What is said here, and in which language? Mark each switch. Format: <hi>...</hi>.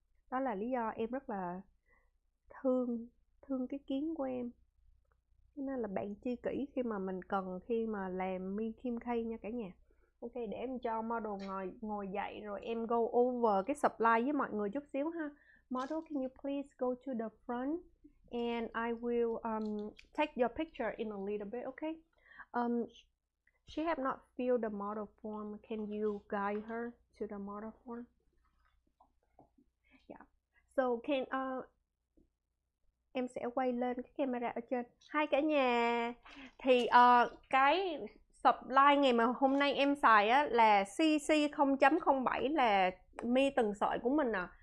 <vi>Đó là lý do em rất là thương thương cái kiến của em. Cho nên là bạn tri kỷ khi mà mình cần, khi mà làm mi kim khay nha cả nhà. Ok, để em cho model ngồi ngồi dậy rồi em</vi> <en>go over</en> <vi>cái supply với mọi người chút xíu ha.</vi> <en>Model, can you please go to the front and I will take your picture in a little bit, okay? She have not filled the model form. Can you guide her to the model form? Yeah.</en> <vi>So can em sẽ quay lên cái camera ở trên. Hai cả nhà. Thì cái supply ngày mà hôm nay em xài á là CC0.07 là mi từng sợi của mình à.</vi>